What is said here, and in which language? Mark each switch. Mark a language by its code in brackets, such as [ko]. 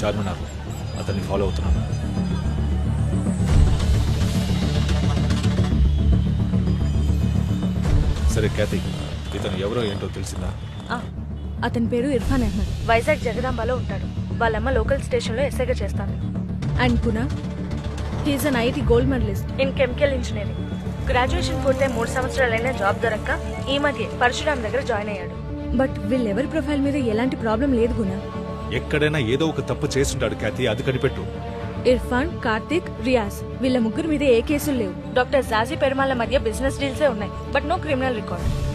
[te] చార్మినార్ లో అతన్ని ఫాలో అవుతున్నాను. సరే కేతి, ఇతను ఎవరో ఏంటో తెలిసిందా? అతని పేరు ఇర్ఫాన్ అహ్మద్. వైజాగ్ జగదాంబలో ఉంటాడు. వాళ్ళమ్మ లోకల్ స్టేషన్ లో ఎస్ఐగా చేస్తాను. [en] And Guna, he is an IIT gold medalist in chemical engineering. [te] Graduation పూర్తి 3 సంవత్సరాలైనా జాబ్ దొరక్క ఈ మధ్య పరశురామ్ దగ్గర జాయిన్ అయ్యాడు. బట్ వీళ్ళెవరి ప్రొఫైల్ మీద ఎలాంటి ప్రాబ్లం లేదు గుణ. ఎక్కడైనా ఏదో ఒక తప్పు చేస్తుంటాడు కాతి, అది కనిపెట్టు. ఇర్ఫాన్, కార్తిక్, రియాజ్ వీళ్ళ ముగ్గురు మీద ఏ కేసులు లేవు. డాక్టర్ జాజీ పెరుమాళ్ల మధ్య బిజినెస్ డీల్స్ ఉన్నాయి, [en] But no criminal record.